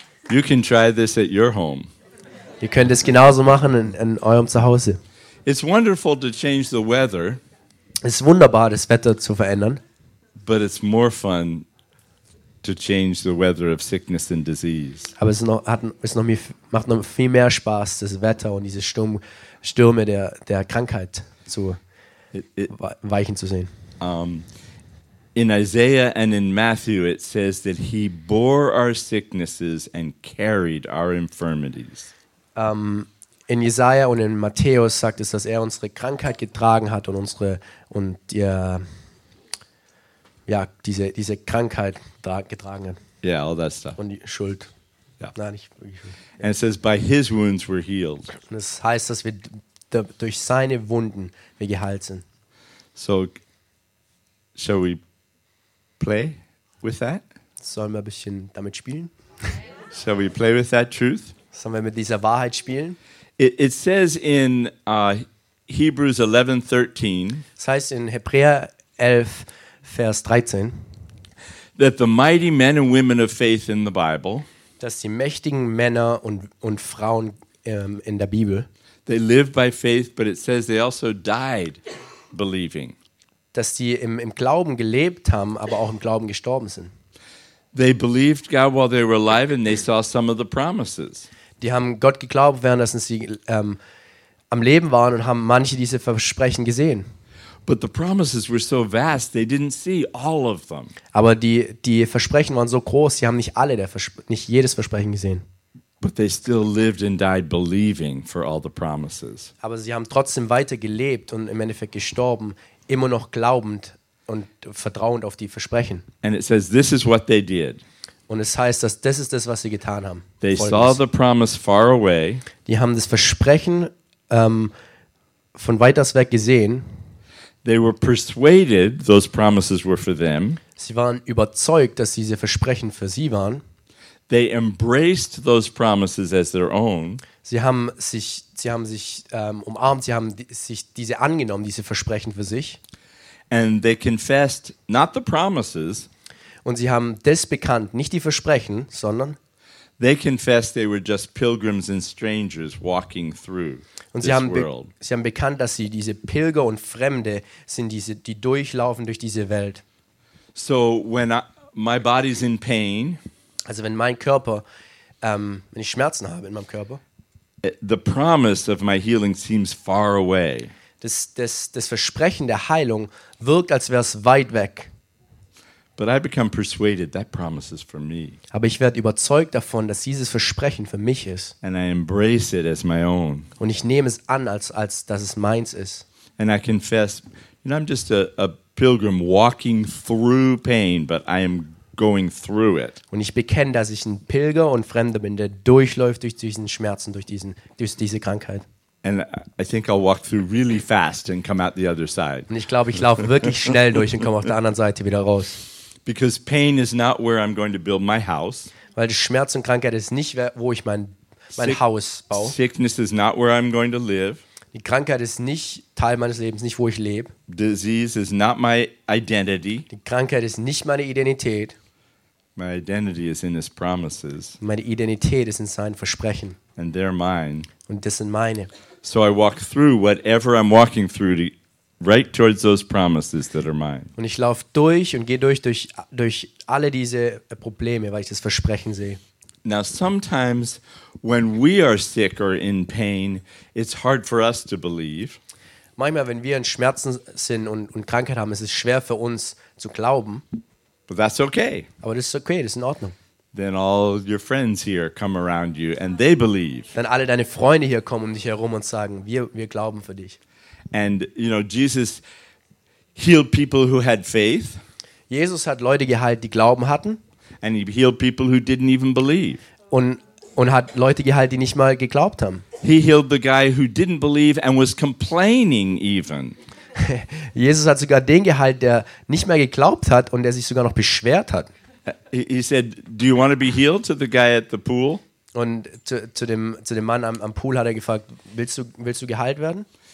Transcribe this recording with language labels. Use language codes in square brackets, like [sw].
[en] You can try this at your home. [de] Ihr könnt es genauso machen in eurem Zuhause. [en] It's wonderful to change the weather. [de] Es ist wunderbar, das Wetter zu verändern. [en] But it's more fun to change the weather of sickness and disease. [de] Aber es macht noch viel mehr Spaß, das Wetter und diese Stürme der Krankheit weichen zu sehen. [en] In Isaiah and in Matthew it says that he bore our sicknesses and carried our infirmities. [de] In Jesaja und in Matthäus sagt es, dass er unsere Krankheit getragen hat und unsere und ja diese Krankheit getragen hat. [en] Yeah, all that stuff. [de] Und die Schuld. [en] Yeah. [de] Nein, nicht wirklich Schuld. [en] And it says by his wounds we're healed. [de] Und das heißt, dass wir durch seine Wunden wir geheilt sind. [en] So shall we play with that? [de] Sollen wir ein bisschen damit spielen? [en] Shall we play with that truth? [de] Sollen wir mit dieser Wahrheit spielen? [en] It says in Hebrews 11:13. [de] Das heißt in Hebräer 11, Vers 13. [en] That the mighty men and women of faith in the Bible. [de] Dass die mächtigen Männer und Frauen in der Bibel. [en] They lived by faith, but it says they also died believing. [de] Dass die im Glauben gelebt haben, aber auch im Glauben gestorben sind. [en] They believed God while they were alive, and they saw some of the promises. [de] Die haben Gott geglaubt, während sie am Leben waren und haben manche diese Versprechen gesehen. [en] But the promises were so vast, they didn't see all of them. [de] Aber die Versprechen waren so groß, sie haben nicht jedes Versprechen gesehen. [en] But they still lived and died believing for all the promises. [de] Aber sie haben trotzdem weiter gelebt und im Endeffekt gestorben, immer noch glaubend und vertrauend auf die Versprechen. [en] And it says this is what they did. [de] Und es heißt, dass das ist das, was sie getan haben. [en] They saw the promise far away. [de] Die haben das Versprechen von weiters weg gesehen. [en] They were persuaded those promises were for them. [de] Sie waren überzeugt, dass diese Versprechen für sie waren. [en] They embraced those promises as their own. [de] Sie haben sich umarmt, sie haben sich diese angenommen, diese Versprechen für sich. [en] And they confessed not the promises. [de] Und sie haben das bekannt, nicht die Versprechen, sondern [en] they confessed they were just pilgrims and strangers walking through this world. [de] Sie haben bekannt, dass sie diese Pilger und Fremde sind, die durchlaufen durch diese Welt. [en] So when my body's in pain, [de] also wenn mein Körper, wenn ich Schmerzen habe in meinem Körper, [en] the promise of my healing seems far away. [de] Das Versprechen der Heilung wirkt, als wäre es weit weg. [en] But I become persuaded that promise is for me. [de] Aber ich werde überzeugt davon, dass dieses Versprechen für mich ist. [en] And I embrace it as my own. [de] Und ich nehme es an, als dass es meins ist. [en] And I confess, you know, I'm just a pilgrim walking through pain, but I am going through it. [de] Und ich bekenne, dass ich ein Pilger und Fremder bin, der durchläuft durch diesen Schmerzen, durch diese Krankheit. [en] And I think I'll walk through really fast and come out the other side. [de] Und ich glaube, ich laufe wirklich schnell durch und komme auf der anderen Seite wieder raus. [en] Because pain is not where I'm going to build my house. [de] Weil Schmerz und Krankheit ist nicht, wo ich mein Haus baue. [en] Sickness is not where I'm going to live. [de] Die Krankheit ist nicht Teil meines Lebens, nicht wo ich lebe. [en] Disease is not my identity. [de] Die Krankheit ist nicht meine Identität. [en] My identity is in his promises. [de] Meine Identität ist in seinen Versprechen. [en] And they're mine. [de] Und das sind meine. [en] So I walk through whatever I'm walking through to, right towards those promises that are mine. [de] Und ich laufe durch und gehe durch alle diese Probleme, weil ich das Versprechen sehe. [en] Now sometimes when we are sick or in pain, it's hard for us to believe. [de] Manchmal, wenn wir in Schmerzen sind und Krankheit haben, ist es schwer für uns zu glauben. [en] But that's okay. [de] Aber das ist okay, das ist in Ordnung. [en] Then all your friends here come around you and they believe. [de] Dann alle deine Freunde hier kommen um dich herum und sagen, wir glauben für dich. [en] And you know, Jesus healed people who had faith. [de] Jesus hat Leute geheilt, die Glauben hatten. [en] And he healed people who didn't even believe. [de] Und hat Leute geheilt, die nicht mal geglaubt haben. [en] He healed the guy who didn't believe and was complaining even. [de] Jesus hat sogar den geheilt, der nicht mehr geglaubt hat und der sich sogar noch beschwert hat. [en] He said, "Do you want to be healed?" to the guy at the pool. [de] Und zu dem Mann am Pool hat er gefragt, willst du geheilt werden?